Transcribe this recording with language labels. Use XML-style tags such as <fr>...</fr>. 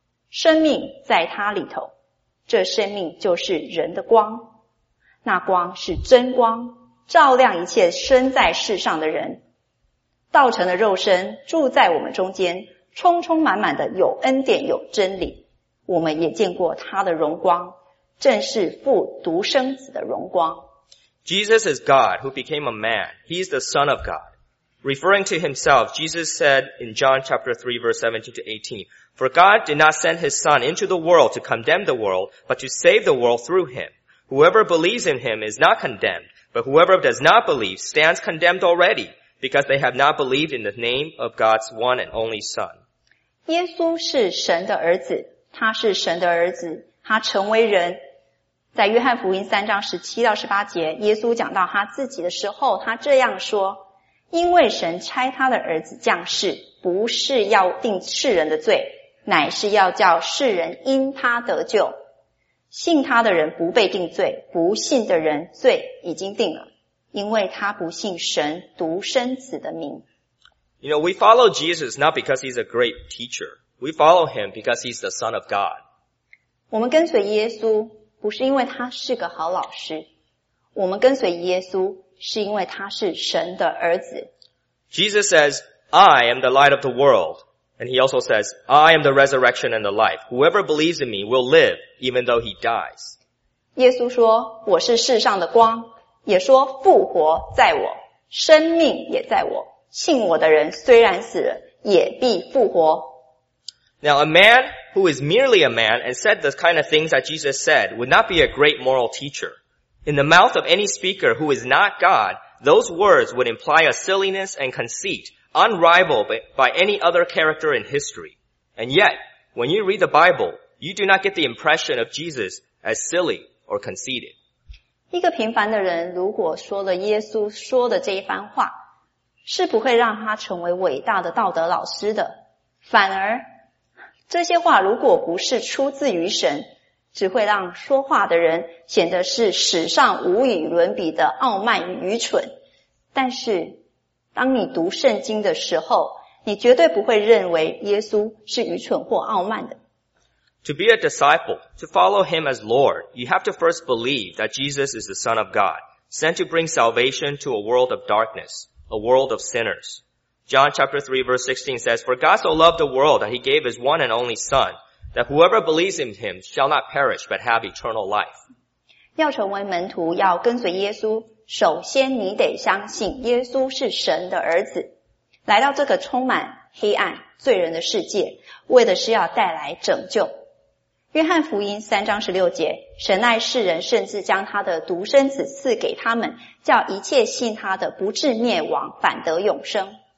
<zh>生命在他里头，这生命就是人的光，那光是真光。照亮一切生在世上的人道成的肉身住在我们中间充充满满的有恩典有真理我们也见过他的荣光正是父独生子的荣光</zh> <en>Jesus is God who became a man He is the Son of God Referring to himself Jesus said in John chapter 3 verse 17 to 18 For God did not send his son into the world to condemn the world but to save the world through him Whoever believes in him is not condemnedBut whoever does not believe stands condemned already because they have not believed in the name of God's one and only Son.</en> <zh>耶稣是神的儿子他是神的儿子他成为人。在约翰福音三章十七到十八节耶稣讲到他自己的时候他这样说因为神差他的儿子降世不是要定世人的罪乃是要叫世人因他得救。信他的人不被定罪，不信的人罪已经定了，因为他不信神独生子的名。</zh> <en>You know, we follow Jesus not because he's a great teacher. We follow him because he's the Son of God.</en> <zh>我们跟随耶稣不是因为他是个好老师，我们跟随耶稣是因为他是神的儿子。</zh> <en>Jesus says, I am the light of the world. And he also says, I am the resurrection and the life. Whoever believes in me will live even though he dies.</en> <zh>耶稣说，我是世上的光，也说复活在我，生命也在我。信我的人虽然死了，也必复活。</zh> <en>Now a man who is merely a man and said the kind of things that Jesus said would not be a great moral teacher. In the mouth of any speaker who is not God, those words would imply a silliness and conceit unrivaled by any other character in history. And yet, when you read the Bible, you do not get the impression of Jesus as silly or conceited.</en> <zh>一个平凡的人如果说了耶稣说的这一番话，是不会让他成为伟大的道德老师的。反而，这些话如果不是出自于神，只会让说话的人显得是史上无与伦比的傲慢与愚蠢。但是，当你读圣经的时候，你绝对不会认为耶稣是愚蠢或傲慢的。</zh> <en>To be a disciple, to follow him as Lord, you have to first believe that Jesus is the Son of God, sent to bring salvation to a world of darkness, a world of sinners. John chapter 3 verse 16 says, For God so loved the world that he gave his one and only Son,that whoever believes in him shall not perish, but have eternal life.</en> <zh>要成为门徒，要跟随耶稣，首先你得相信耶稣是神的儿子，来到这个充满黑暗、罪人的世界，为的是要带来拯救。约翰福音三章十六节，神爱世人，甚至将他的独生子赐给他们，叫一切信他的不至灭亡，反得永生。</zh>